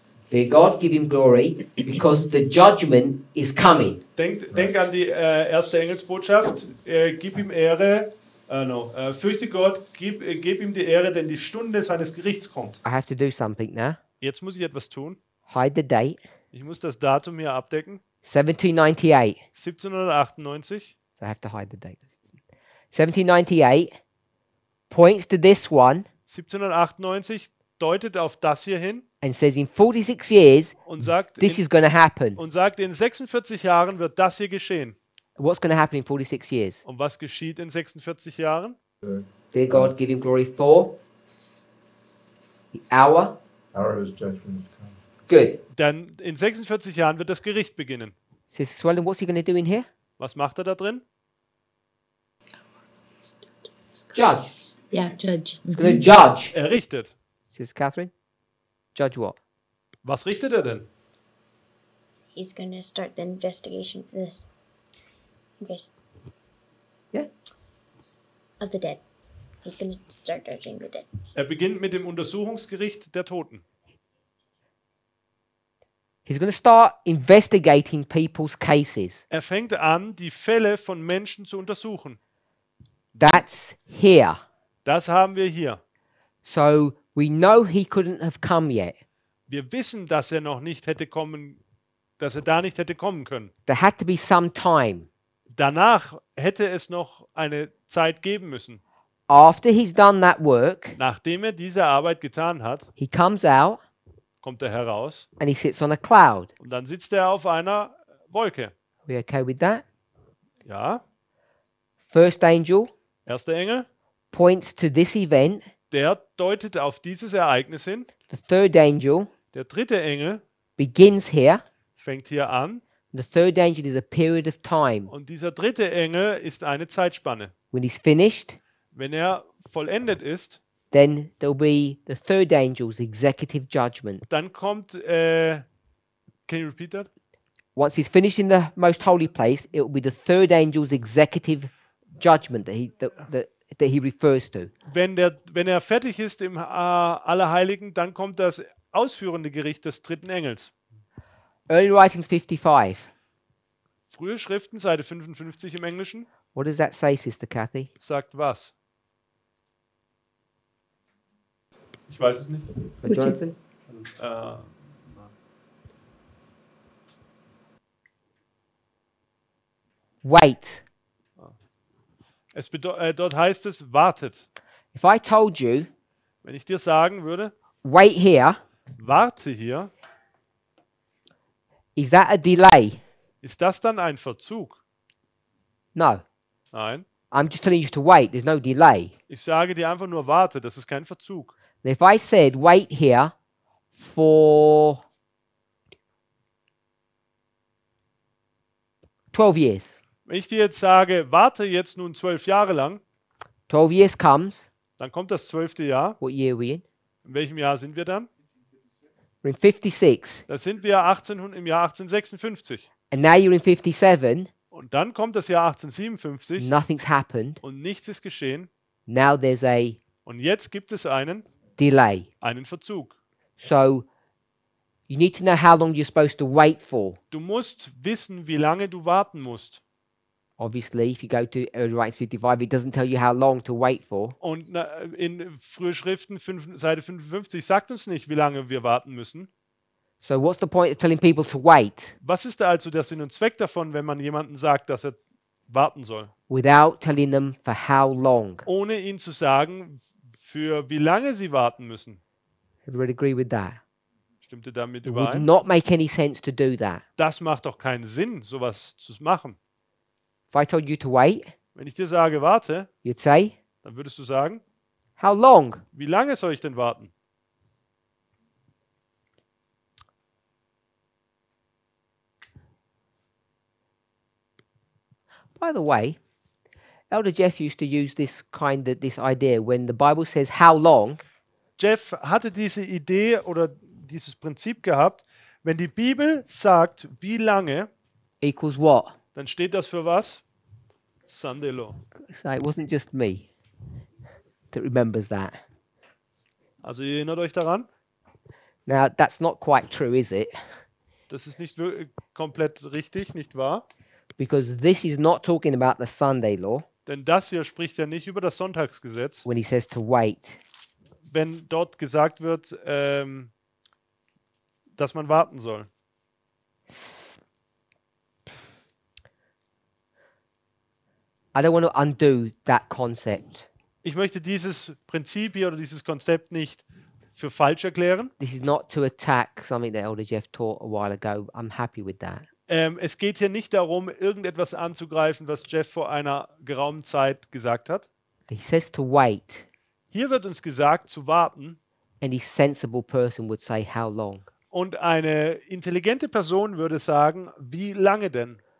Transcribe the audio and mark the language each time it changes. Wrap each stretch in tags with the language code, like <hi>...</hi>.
<en>Fear God, give him glory, because the judgment is coming.</en> <de>Denk an die erste Engelsbotschaft. Gib ihm Ehre. Fürchte Gott, gib ihm die Ehre, denn die Stunde seines Gerichts kommt.</de> <en>I have to do something now.</en> <de>Jetzt muss ich etwas tun.</de> <en>Hide the date.</en> <de>Ich muss das Datum hier abdecken.</de> <en>1798.</en> <de>1798.</de> <en>So I have to hide the date. 1798 points to this one.</en> <de>1798 deutet auf das hier hin.</de> <en>And says in 46 years,</en> <de>und sagt,</de> <en>this is going to happen.</en> <de>Und sagt, in 46 Jahren wird das hier geschehen.</de> <en>What's going to happen in 46 years?</en> <de>Und was geschieht in 46 Jahren?</de> <en>Fear God, give him glory for the hour. Hour of his judgment. Good.</en> <de>Dann in 46 Jahren wird das Gericht beginnen.</de> <en>Well, what's he going to do in here?</en> <de>Was macht er da drin?</de> <en>Judge. Yeah, judge. He's going to judge.</en> <de>Er richtet.</de> <en>Says Catherine. Judge what?</en> <de>Was richtet er denn?</de> <en>He's going to start the investigation for this. Yeah. Of the dead. He's going to start judging the dead.</en> <de>Er beginnt mit dem Untersuchungsgericht der Toten.</de> <en>He's going to start investigating people's cases.</en> <de>Er fängt an, die Fälle von Menschen zu untersuchen.</de> <en>That's here.</en> <de>Das haben wir hier.</de> <en>So we know he couldn't have come yet.</en> <de>Wir wissen, dass er noch nicht hätte kommen, dass er da nicht hätte kommen können.</de> <en>There had to be some time.</en> <de>Danach hätte es noch eine Zeit geben müssen.</de> <en>After he's done that work,</en> <de>nachdem er diese Arbeit getan hat,</de> <en>he comes out,</en> <de>kommt er heraus,</de> <en>and he sits on a cloud.</en> <de>Und dann sitzt er auf einer Wolke.</de> <en>Are we okay with that?</en> <de>Ja.</de> <en>First angel,</en> <de>erster Engel,</de> <en>points to this event.</en> <de>Der deutet auf dieses Ereignis hin.</de> <en>The third angel,</en> <de>der dritte Engel,</de> <en>begins here,</en> <de>fängt hier an.</de> <en>The third angel is a period of time.</en> <de>Und dieser dritte Engel ist eine Zeitspanne.</de> <en>When he's finished,</en> <de>wenn er vollendet ist,</de> <en>then there'll be the third angel's executive judgment.</en> <de>Dann kommt</de> <en>can you repeat that? Once he's finished in the most holy place, it will be the third angel's executive judgment that he refers to.</en> <de>Wenn er fertig ist im Allerheiligen, dann kommt das ausführende Gericht des dritten Engels.</de> <en>Early writings 55.</en> <de>Frühe Schriften, Seite 55 im Englischen.</de> <en>What does that say, Sister Kathy?</en> <de>Sagt was? Ich weiß es nicht.</de> <en>But Jonathan? Wait.</en> <de>Dort heißt es, wartet.</de> <en>If I told you,</en> <de>wenn ich dir sagen würde,</de> <en>wait here,</en> <de>warte hier,</de> <en>is that a delay?</en> <de>Ist das dann ein Verzug?</de> <en>No.</en> <de>Nein.</de> <en>I'm just telling you to wait. There's no delay.</en> <de>Ich sage dir einfach nur warte. Das ist kein Verzug.</de> <en>And if I said wait here for 12 years.</en> <de>Wenn ich dir jetzt sage, warte jetzt nun 12 Jahre lang.</de> <en>12 years comes.</en> <de>Dann kommt das 12. Jahr.</de> <en>What year are we in?</en> <de>In welchem Jahr sind wir dann?</de> <en>We're in 56.</en> <de>Da sind wir 1800 im Jahr 1856.</de> <en>And now you're in 57.</en> <de>Und dann kommt das Jahr 1857.</de> <en>Nothing's happened.</en> <de>Und nichts ist geschehen.</de> <en>Now there's a.</en> <de>Und jetzt gibt es einen.</de> <en>Delay.</en> <de>Einen Verzug.</de> <en>So, you need to know how long you're supposed to wait for.</en> <de>Du musst wissen, wie lange du warten musst.</de> <en>Obviously, if you go to early writings 55, it doesn't tell you how long to wait for.</en> <de>Und in frühe Schriften, Seite 55, sagt uns nicht, wie lange wir warten müssen.</de> <en>So what's the point of telling people to wait?</en> <de>Was ist also der Sinn und Zweck davon, wenn man jemanden sagt, dass er warten soll?</de> <en>Without telling them for how long.</en> <de>Ohne ihnen zu sagen, für wie lange sie warten müssen.</de> <en>Everybody agree with that?</en> <de>Stimmt ihr damit</de> <en>it</en> <de>überein?</de> <en>Would not make any sense to do that.</en> <de>Das macht doch keinen Sinn, sowas zu machen.</de> <en>If I told you to wait,</en> <de>wenn ich dir sage, warte,</de> <en>you'd say,</en> <de>dann würdest du sagen,</de> <en>how long?</en> <de>Wie lange soll ich denn warten?</de> <en>By the way, Elder Jeff used to use this kind of this idea when the Bible says how long.</en> <de>Jeff hatte diese Idee oder dieses Prinzip gehabt, wenn die Bibel sagt, wie lange,</de> <en>equals what?</en> <de>Dann steht das für was?</de> <en>Sunday law. So it wasn't just me that remembers that.</en> <de>Also ihr erinnert euch daran?</de> <en>Now that's not quite true, is it?</en> <de>Das ist nicht komplett richtig, nicht wahr?</de> <en>Because this is not talking about the Sunday law.</en> <de>Denn das hier spricht ja nicht über das Sonntagsgesetz.</de> <en>When he says to wait.</en> <de>Wenn dort gesagt wird, dass man warten soll.</de> <en>I don't want to undo that concept.</en> <de>Ich möchte dieses Prinzip hier oder dieses Konzept nicht für falsch erklären.</de> <en>This is not to attack something that Elder Jeff taught a while ago. I'm happy with that.</en> <de>Es geht hier nicht darum, irgendetwas anzugreifen, was Jeff vor einer geraumen Zeit gesagt hat.</de> <en>He says to wait.</en> <de>Hier wird uns gesagt, zu warten.</de> <en>Any sensible person would say, how long?</en> <de>Und eine intelligente Person würde sagen, wie lange denn?</de>